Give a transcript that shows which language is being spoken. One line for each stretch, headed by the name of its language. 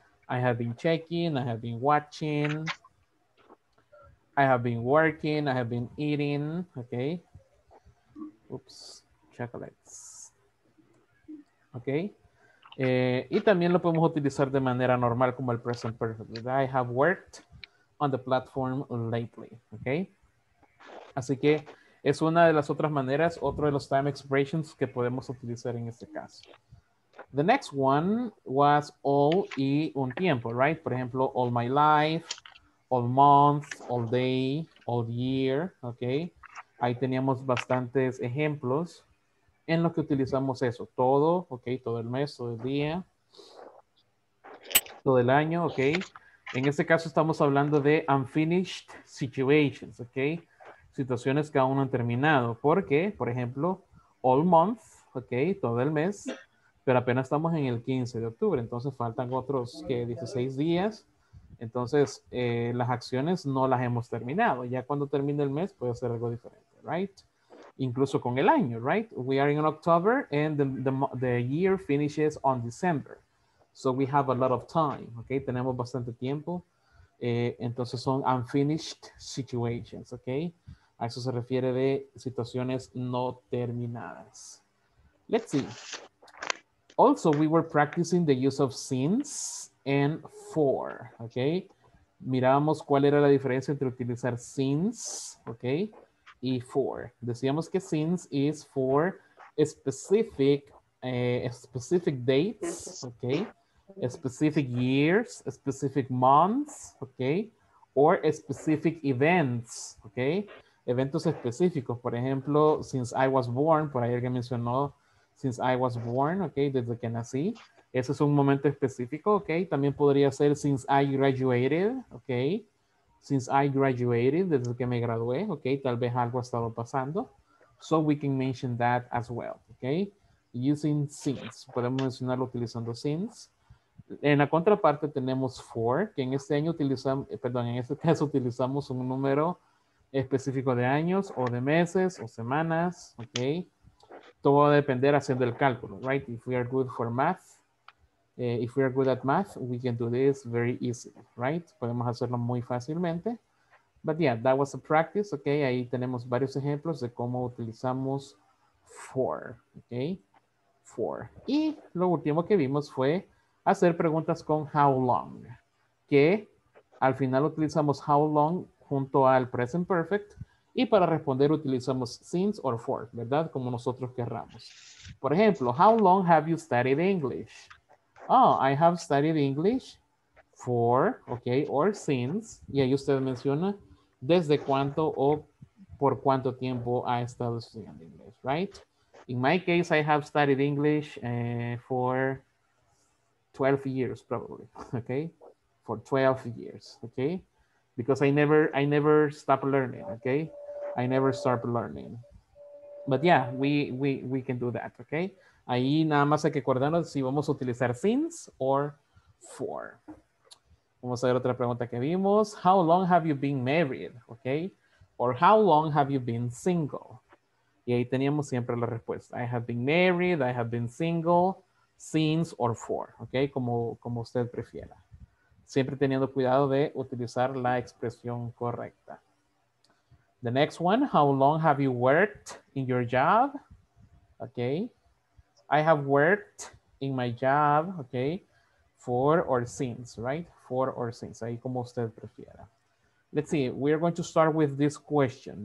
English: I have been checking, I have been watching, I have been working, I have been eating, okay? Oops, chocolates. Okay?
Spanish: Y también lo podemos utilizar de manera normal como el present perfect.
English: I have worked on the platform lately, okay?
Spanish: Así que es una de las otras maneras, otro de los time expressions que podemos utilizar en este caso.
English: The next one was all
Spanish: y un tiempo,
English: right?
Spanish: Por ejemplo,
English: all my life, all month, all day, all year, okay?
Spanish: Ahí teníamos bastantes ejemplos en los que utilizamos eso. Todo, okay, todo el mes, todo el día, todo el año, okay? En este caso estamos hablando de
English: unfinished situations,
Spanish: okay? Situaciones que aún no han terminado. Porque, por ejemplo,
English: all month,
Spanish: okay, todo el mes, pero apenas estamos en el 15 de octubre, entonces faltan otros, ¿qué, 16 días? Entonces, las acciones no las hemos terminado. Ya cuando termine el mes puede ser algo diferente, right? Incluso con el año, right?
English: We are in October and the year finishes on December. So we have a lot of time, okay?
Spanish: Tenemos bastante tiempo. Entonces son
English: unfinished situations, okay?
Spanish: A eso se refiere de situaciones no terminadas.
English: Let's see. Also, we were practicing the use of since and for, okay?
Spanish: Mirábamos cuál era la diferencia entre utilizar since, okay, y for.
English: Decíamos que since is for specific dates, okay, specific years, specific months, okay, or specific events, okay,
Spanish: eventos específicos. Por ejemplo,
English: since I was born,
Spanish: por ahí alguien mencionó, since I was born, okay, desde que nací. Ese es un momento específico, okay. También podría ser
English: since I graduated,
Spanish: okay.
English: Since I graduated,
Spanish: desde que me gradué, okay. Tal vez algo ha estado pasando.
English: So we can mention that as well, okay. Using since.
Spanish: Podemos mencionarlo utilizando since. En la contraparte tenemos for, que en este año utilizamos, perdón, en este caso utilizamos un número específico de años o de meses o semanas, okay. Todo va a depender haciendo el cálculo,
English: right? If we are good for math, if we are good at math, we can do this very easily, right?
Spanish: Podemos hacerlo muy fácilmente.
English: But yeah, that was a practice, okay?
Spanish: Ahí tenemos varios ejemplos de cómo utilizamos for, okay? For. Y lo último que vimos fue hacer preguntas con
English: how long,
Spanish: que al final utilizamos how long junto al present perfect. Y para responder utilizamos
English: since or for,
Spanish: ¿verdad? Como nosotros querramos. Por ejemplo,
English: how long have you studied English? Oh, I have studied English for, okay, or since.
Spanish: Y ahí usted menciona desde cuánto o por cuánto tiempo ha estado estudiando inglés, right?
English: In my case, I have studied English for 12 years, probably, okay? For 12 years, okay? Because I never stopped learning, okay? I never stop learning. But yeah, we can do that, okay?
Spanish: Ahí nada más hay que acordarnos si vamos a utilizar
English: since or for.
Spanish: Vamos a ver otra pregunta que vimos.
English: How long have you been married,
Spanish: okay?
English: Or how long have you been single?
Spanish: Y ahí teníamos siempre la respuesta.
English: I have been married, I have been single, since or for, okay?
Spanish: Como usted prefiera. Siempre teniendo cuidado de utilizar la expresión correcta.
English: The next one, how long have you worked in your job? Okay. I have worked in my job, okay, for or since, right? For or since,
Spanish: ahí como usted prefiera.
English: Let's see, we are going to start with this question.